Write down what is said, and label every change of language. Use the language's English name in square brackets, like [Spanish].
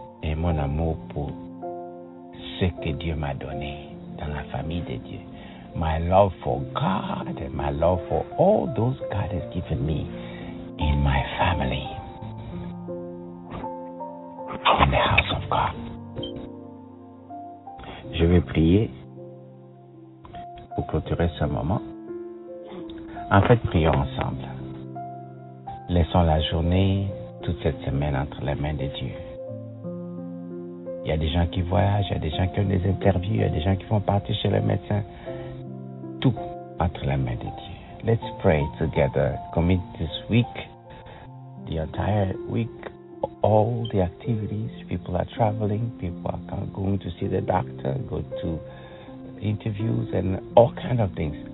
[French] Et mon amour pour ce que Dieu m'a donné dans la famille de Dieu. [English] My love for God and my love for all those God has given me in my family. In the house of God. [French] Je vais prier pour clôturer ce moment. En fait, prions ensemble. Laissons la journée, toute cette semaine entre les mains de Dieu. Il y a des gens qui voyagent, il y a des gens qui ont des interviews, il y a des gens qui vont partir chez le médecin. Tout entre la main de Dieu. [English] Let's pray together. Commit this week, the entire week, all the activities. People are traveling, people are going to see the doctor, go to interviews and all kind of things.